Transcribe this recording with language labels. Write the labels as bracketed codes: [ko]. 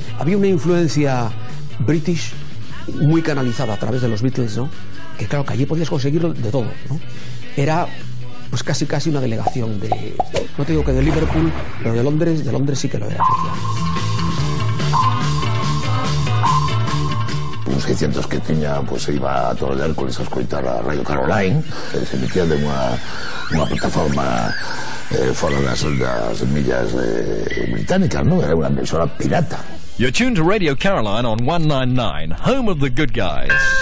[es] Había una influencia british muy canalizada a través de los Beatles, ¿no? Que claro, que allí podías conseguirlo de todo, ¿no? Era pues casi casi una delegación de, no te digo que de Liverpool, pero de Londres sí que lo era. [gl] uns 600 que tiña, pois pues, iba a todo o Hércules a escoitar a Radio Caroline, que se emitía de unha plataforma fora das ondas millas británicas, non? Era unha emisora pirata. [en] You're tuned to Radio Caroline on 199, home of the good guys.